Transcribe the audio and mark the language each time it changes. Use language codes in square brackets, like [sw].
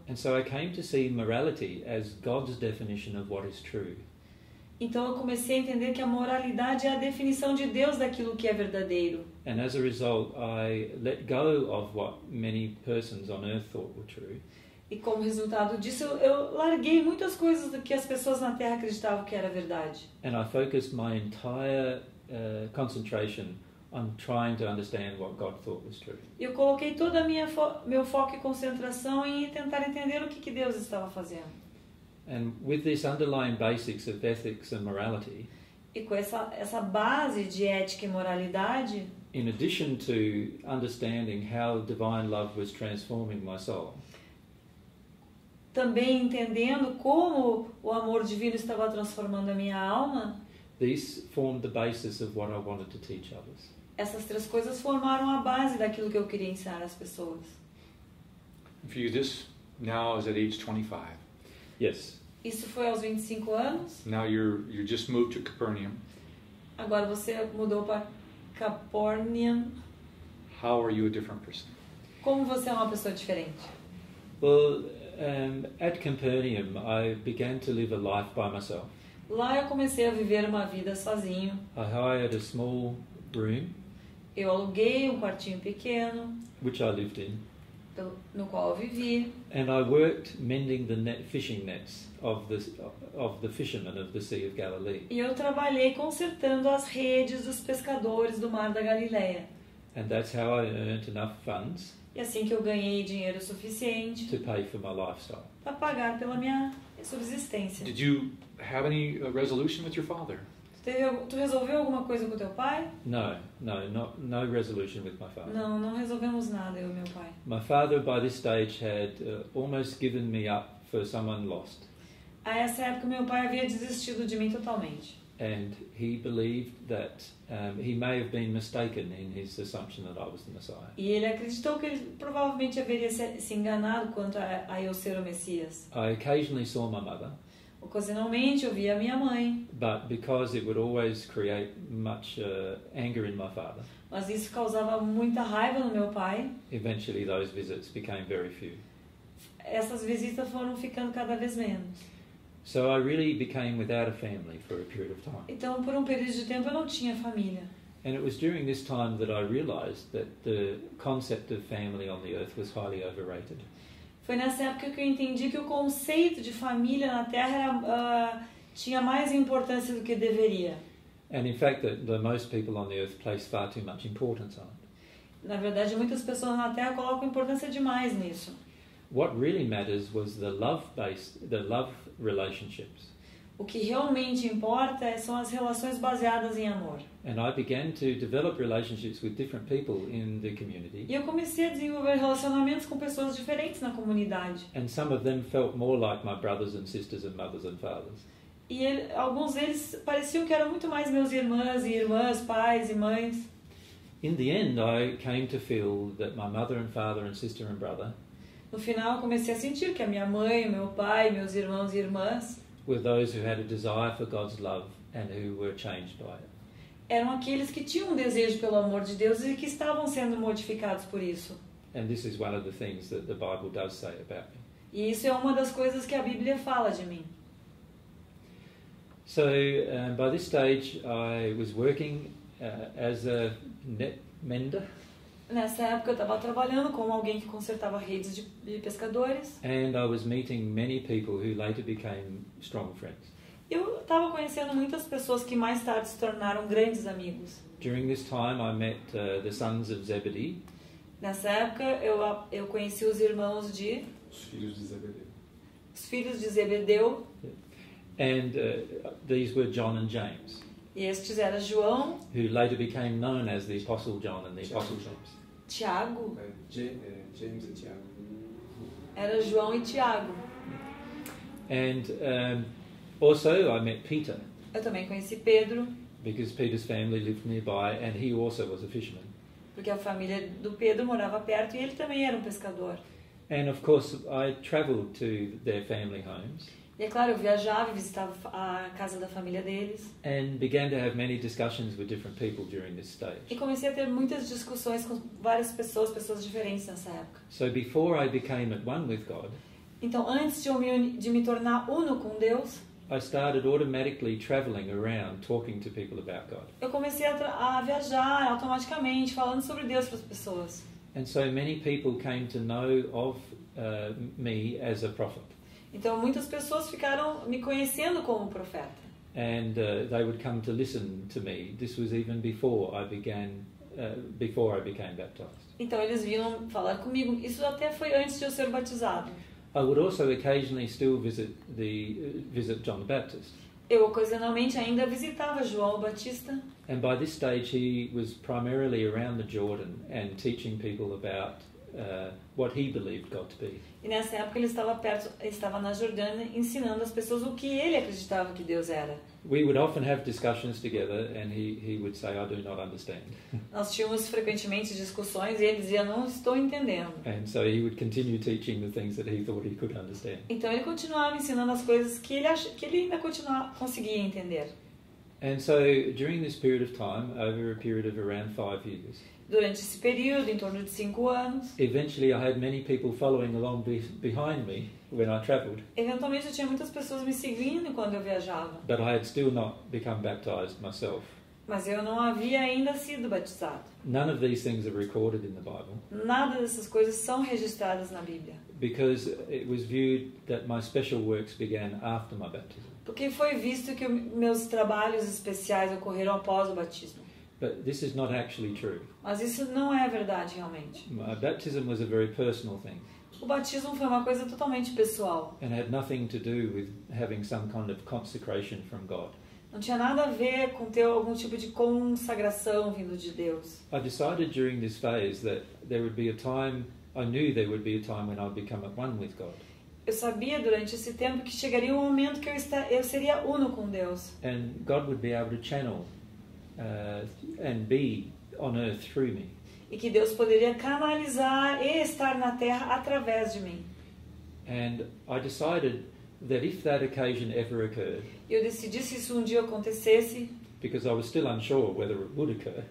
[en] And so I came to see morality as God's definition of what is true. [pt] Então eu comecei a entender que a moralidade é a definição de Deus daquilo que é verdadeiro. [en] And as a result, I let go of what many persons on earth thought were true. [pt] E como resultado disso, eu larguei muitas coisas do que as pessoas na Terra acreditavam que era verdade. [en] And I focused my entire concentration on trying to understand what God thought was true. [pt] Eu coloquei toda a minha meu foco e concentração em tentar entender o que Deus estava fazendo. [en] And with this underlying basics of ethics and morality, [pt] e com essa base de ética e moralidade, [en] in addition to understanding how divine love was transforming my soul, [pt] também entendendo como o amor divino estava transformando a minha alma, [en] these formed the basis of what I wanted to teach others. [pt] Essas três coisas formaram a base daquilo que eu queria ensinar às pessoas. [en] For you, this now is at age 25. Yes. [pt] Isso foi aos 25 anos. [en] Now you just moved to Capernaum. [pt] Agora você mudou para Capernaum. [en] How are you a different person? [pt] Como você é uma pessoa diferente? [en] Well, at Capernaum, I began to live a life by myself. [pt] Lá eu comecei a viver uma vida sozinho. [en] I hired a small room. [pt] Eu aluguei um quartinho pequeno. [en] Which I lived in. [pt] No qual eu vivi. [en] And I worked mending the net, fishing nets of the fishermen of the Sea of Galilee. [pt] E eu trabalhei consertando as redes dos pescadores do Mar da Galileia. [en] And that's how I earned enough funds. [pt] E assim que eu ganhei dinheiro suficiente. [en] To pay for my lifestyle. [pt] Para pagar pela minha subsistência. [en] Did you have any resolution with your father? [pt] Tu resolveu alguma coisa com teu pai? [en] No resolution with my father. [pt] Não resolvemos nada, eu e meu pai. [en] My father by this stage had almost given me up for someone lost. [pt] A essa época meu pai havia desistido de mim totalmente. [en] And he believed that he may have been mistaken in his assumption that I was the Messiah. [pt] E ele acreditou que ele provavelmente haveria se enganado quanto a eu ser o Messias. [en] I occasionally saw my mother. [pt] Ocasionalmente eu via minha mãe. [en] But because it would always create much anger in my father. [pt] Mas isso causava muita raiva no meu pai. [en] Eventually those visits became very few. [pt] Essas visitas foram ficando cada vez menos. [en] So I really became without a family for a period of time. [pt] Então por período de tempo eu não tinha família. [en] And it was during this time that I realized that the concept of family on the earth was highly overrated. [pt] Foi nessa época que eu entendi que o conceito de família na Terra era, tinha mais importância do que deveria. [en] And in fact, the most people on the earth place far too much importance on it. [pt] Na verdade, muitas pessoas na Terra colocam importância demais nisso. [en] What really matters was the love relationships. [pt] O que realmente importa são as relações baseadas em amor. [en] And I began to develop relationships with different people in the community. [pt] E eu comecei a desenvolver relacionamentos com pessoas diferentes na comunidade. [en] And some of them felt more like my brothers and sisters and mothers and fathers. [pt] E alguns deles pareciam que eram muito mais meus irmãos e irmãs, pais e mães. [en] In the end, I came to feel that my mother and father and sister and brother. [pt] No final, comecei a sentir que a minha mãe, meu pai, meus irmãos e irmãs [en] were those who had a desire for God's love and who were changed by it. [pt] Eram aqueles que tinham um desejo pelo amor de Deus e que estavam sendo modificados por isso. [en] And this is one of the things that the Bible does say about me. [pt] E isso é uma das coisas que a Bíblia fala de mim. [en] So, by this stage I was working as a net mender. [pt] Nessa época eu estava trabalhando como alguém que consertava redes de pescadores. [en] And I was meeting many people who later became strong friends. [pt] Eu estava conhecendo muitas pessoas que mais tarde se tornaram grandes amigos. [en] During this time I met the sons of Zebedee. [pt] Nessa época eu conheci os irmãos de Os filhos de Zebedeu. [en] And these were John and James. [pt] E estes eram João, [en] who later became known as the Apostle John and the Apostle James. [pt] Tiago. [en] James and Tiago. [pt] Era João e Tiago. [en] And also I met Peter. [pt] Eu também conheci Pedro. [en] Because Peter's family lived nearby and he also was a fisherman. [pt] Porque a família do Pedro morava perto e ele também era um pescador. [en] And of course I traveled to their family homes. [pt] E é claro, eu viajava e visitava a casa da família deles. [en] And began to have many discussions with different people during this stage. [pt] E comecei a ter muitas discussões com várias pessoas, pessoas diferentes nessa época. [en] So before I became at one with God. [pt] Então antes de me tornar uno com Deus, [en] I started automatically traveling around talking to people about God. [pt] Eu comecei a viajar automaticamente falando sobre Deus para as pessoas. [en] And so many people came to know of me as a prophet. [pt] Então muitas pessoas ficaram me conhecendo como profeta. [en] And they would come to listen to me. This was even before I began before I became baptized. [pt] Então eles vinham falar comigo. Isso até foi antes de eu ser batizado. [en] I would also occasionally still visit John the Baptist. [pt] Eu ocasionalmente ainda visitava João Batista. [en] And by this stage he was primarily around the Jordan and teaching people about what he believed God to be. [pt] E nessa época ele estava na Jordânia ensinando as pessoas o que ele acreditava que Deus era. [en] We would often have discussions together and he would say, I do not understand. [pt] Nós tínhamos frequentemente discussões e ele dizia, não estou entendendo. [en] And so he would continue teaching the things that he thought he could understand. [pt] Então ele continuava ensinando as coisas que ele ainda conseguia entender. [en] And so during this period of time, over a period of around 5 years. [pt] Durante esse período, em torno de 5 anos. [en] Eventually I had many people following along behind me when I traveled. [pt] Eventualmente eu tinha muitas pessoas me seguindo quando eu viajava. [en] But I had still not become baptized myself. [pt] Mas eu não havia ainda sido batizado. [en] None of these things are recorded in the Bible. [pt] Nada dessas coisas são registradas na Bíblia. [en] Because it was viewed that my special works began after my baptism. [pt] Porque foi visto que meus trabalhos especiais ocorreram após o batismo. [en] But this is not actually true. [pt] Mas isso não é a verdade realmente. [en] My baptism was a very personal thing. [pt] O batismo foi uma coisa totalmente pessoal. [en] And had nothing to do with having some kind of consecration from God. [pt] Não tinha nada a ver com ter algum tipo de consagração vindo de Deus. [en] I decided during this phase that there would be a time, I knew there would be a time when I would become at one with God. [pt] Eu sabia durante esse tempo que chegaria um momento que eu seria uno com Deus. [en] And God would be able to channel and be on earth through me. [pt] E que Deus poderia canalizar e estar na terra através de mim. [en] And I decided that if that occasion ever occurred. [pt] Eu decidi se isso um dia acontecesse. [en] Because I was still unsure whether it would occur.